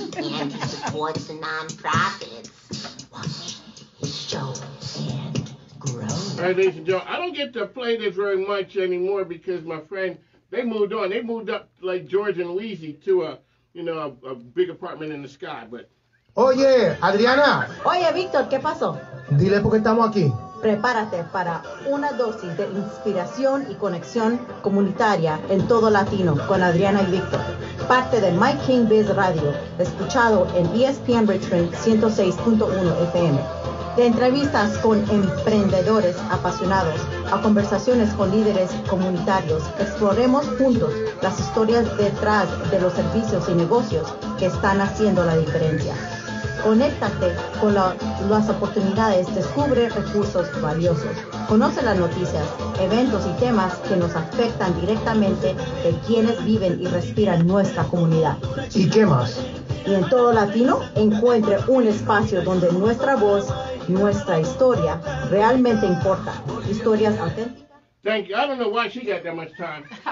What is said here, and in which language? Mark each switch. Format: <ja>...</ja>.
<en>And he supports the non-profits. Watch his show and grow. All right, ladies and gentlemen, I don't get to play this very much anymore because my friend, they moved on. They moved up like George and Weezy to a big apartment in the sky, but...</en> <es>Oye, Adriana. Oye, Víctor, ¿qué pasó? Dile por qué estamos aquí. Prepárate para una dosis de inspiración y conexión comunitaria en todo latino con Adriana y Víctor. Parte de Mike King Biz Radio, escuchado en ESPN Richmond 106.1 FM. De entrevistas con emprendedores apasionados a conversaciones con líderes comunitarios, exploremos juntos las historias detrás de los servicios y negocios que están haciendo la diferencia. Conéctate con las oportunidades, descubre recursos valiosos, conoce las noticias, eventos y temas que nos afectan directamente de quienes viven y respiran nuestra comunidad. ¿Y qué más? Y en todo latino, encuentre un espacio donde nuestra voz, nuestra historia, realmente importa. Historias auténticas.</es> <en>Thank you. I don't know why she got that much time.</en>